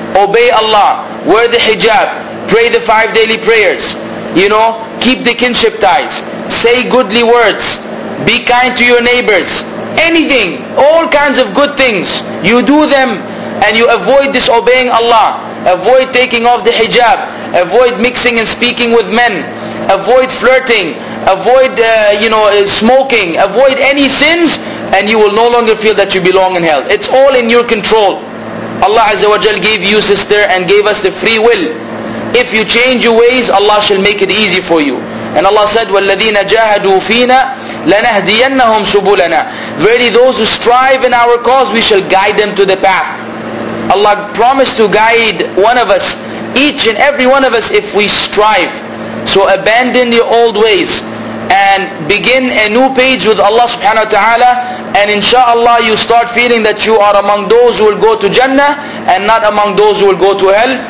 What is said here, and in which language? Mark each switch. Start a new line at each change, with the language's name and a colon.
English: Obey Allah, wear the hijab, pray the five daily prayers, you know, keep the kinship ties, say goodly words, be kind to your neighbors, anything, all kinds of good things, you do them and you avoid disobeying Allah, avoid taking off the hijab, avoid mixing and speaking with men, avoid flirting, avoid smoking, avoid any sins, and you will no longer feel that you belong in hell. It's all in your control. Allah Azza wa Jal gave you, sister, and gave us the free will. If you change your ways, Allah shall make it easy for you. And Allah said,
Arabic: وَالَّذِينَ جَاهَدُوا فِينَا لَنَهْدِيَنَّهُمْ سُبُولَنَا.
English: Verily those who strive in our cause, we shall guide them to the path. Allah promised to guide one of us, each and every one of us, if we strive. So abandon your old ways and begin a new page with Allah subhanahu wa ta'ala, and inshallah you start feeling that you are among those who will go to Jannah and not among those who will go to hell.